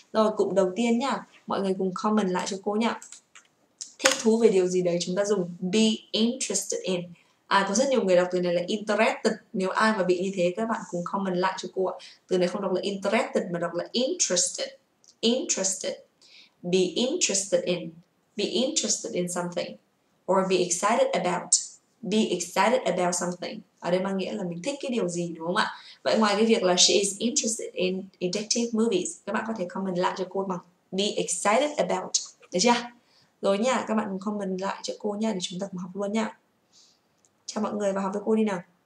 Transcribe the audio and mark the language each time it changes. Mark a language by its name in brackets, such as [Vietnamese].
[Vietnamese] Rồi cụm đầu tiên nha, mọi người cùng comment lại cho cô nha. Thích thú về điều gì đấy chúng ta dùng be interested in. À, có rất nhiều người đọc từ này là interested. Nếu ai mà bị như thế các bạn cùng comment lại cho cô ạ. Từ này không đọc là interested mà đọc là interested. Interested. Be interested in. [English] be interested in something or be excited about something. [Vietnamese] Ở đây mang nghĩa là mình thích cái điều gì đúng không ạ? Vậy ngoài cái việc là [English] she is interested in detective movies, [Vietnamese] các bạn có thể comment lại cho cô bằng be excited about. Được chưa? Rồi nha, các bạn comment lại cho cô nha để chúng ta cùng học luôn nha. Chào mọi người và học với cô đi nào.